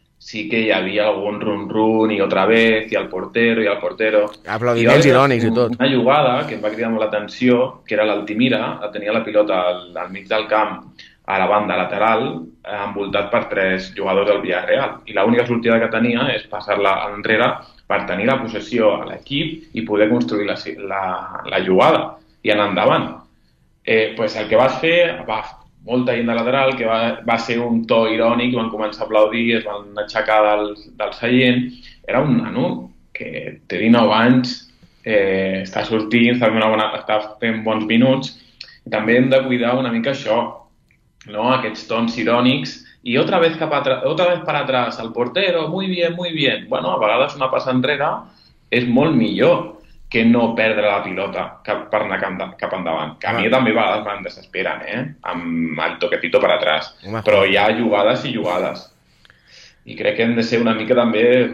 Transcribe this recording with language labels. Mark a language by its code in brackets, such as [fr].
[ca] Sí que hi havia algun run-run i [es] otra vez, [ca] i el portero... Aplaudiments irònics i tot. Una jugada que em va cridar molt l'atenció, que era l'Altimira, tenia la pilota al mig del camp, a la banda lateral, envoltat per 3 jugadors del Villarreal. I l'única sortida que tenia és passar-la enrere per tenir la possessió a l'equip i poder construir la jugada i anar endavant. Pues el que vas fer... Molta gent de lateral, que va ser un to irònic, van començar a aplaudir, es van aixecar del seient. Era un nano que té 19 anys, està sortint, està fent bons minuts. També hem de cuidar una mica això, no? Aquests tons irònics. [es] I otra vez per atrás, el portero, muy bien, muy bien. [ca] Bueno, a vegades una passa enrere és molt millor que no perdre la pilota per anar cap endavant. Que a mi també a vegades me'n desesperen, amb el toquetito per atrás. Però hi ha jugades i jugades. I crec que hem de ser una mica també...